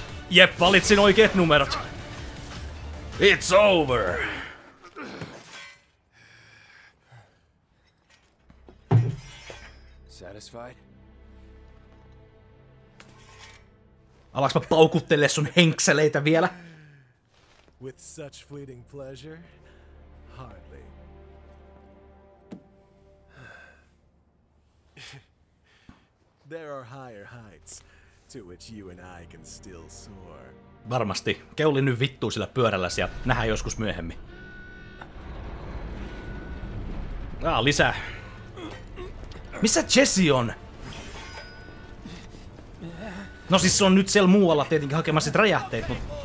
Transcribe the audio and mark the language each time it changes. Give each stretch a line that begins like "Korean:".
Finnish: Jep, valitsin oikeet numerot.
English: It's over! Satisfied?
Finnish: Alaks mä paukuttelee sun henkseleitä vielä?
English: With such fleeting pleasure? Hardly. There are higher heights to which you and I can still soar.
Finnish: Varmasti. Keuli nyt vittuu sillä pyörälläsi ja nähdään joskus myöhemmin. Ah, lisää. Missä Jesse on? No siis se on nyt siellä muualla tietenkin hakemassa sit räjähteet, mut...